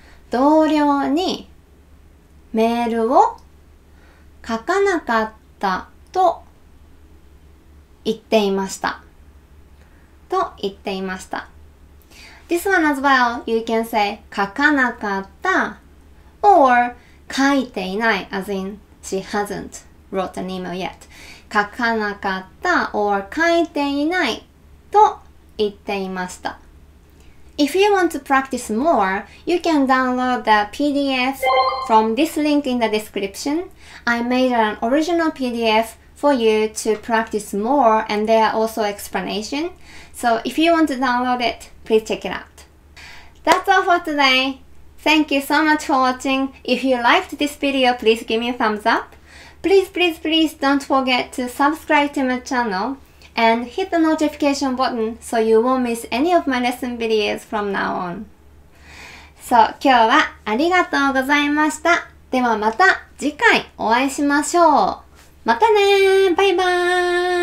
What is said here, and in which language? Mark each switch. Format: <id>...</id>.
<ja>同僚にメールを書かなかったと言っていました。と言っていました。</ja> <en>This one as well, you can say 書かなかった or 書いていない as in she hasn't wrote an email yet.</en> <ja>書かなかった or 書いていないと言っていました。</ja> <en>If you want to practice more, you can download the PDF from this link in the description. I made an original PDF for you to practice more and there are also explanation. So if you want to download it,Please check it out. That's all for today. Thank you so much for watching. If you liked this video, please give me a thumbs up. Please, please, please don't forget to subscribe to my channel and hit the notification button so you won't miss any of my lesson videos from now on.</en> <ja>So, 今日はありがとうございました。ではまた次回お会いしましょう。またねー。バイバーイ。</ja>